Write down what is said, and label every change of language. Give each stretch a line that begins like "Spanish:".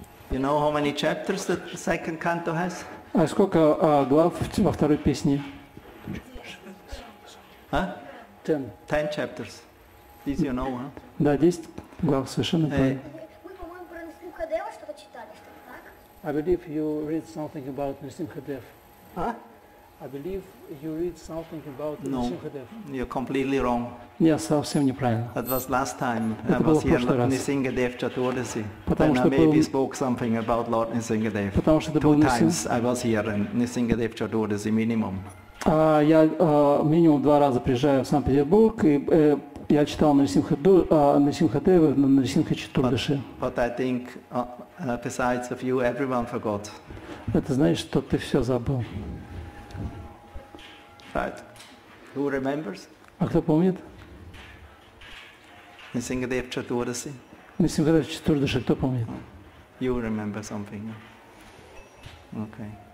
English: You know how many chapters the second canto has?
Russian: А сколько глав во второй песне? А?
English: Ten. Ten chapters. This you know, huh?
Russian: Да, 10 глав совершенно правильно. Мы, по-моему, про Нрисимхадева что-то читали, что-то так?
English: I believe you read something about Нрисимхадев. А? I believe you read something about Нрисимхадев. No, you're completely wrong.
Russian: Я совсем неправильно.
English: That was last time I was here at Nrisimhadev Chaturdasi.
Russian: Потому что
English: maybe spoke something about Lord Nrisimhadev.
Russian: Потому что
English: two times I was here in Nrisimhadev Chaturdasi minimum.
Russian: Я минимум 2 раза приезжаю в Санкт-Петербург и я читал Нрисимхадева на Нрисимхачатурдаши.
English: But I think besides of you, everyone forgot.
Russian: Это значит, что ты все забыл.
English: Right. Who remembers?
Russian: А кто помнит? Нрисимхадев Чатурдаси. Нрисимхадев Чатурдаши, кто помнит?
English: You remember something. Okay.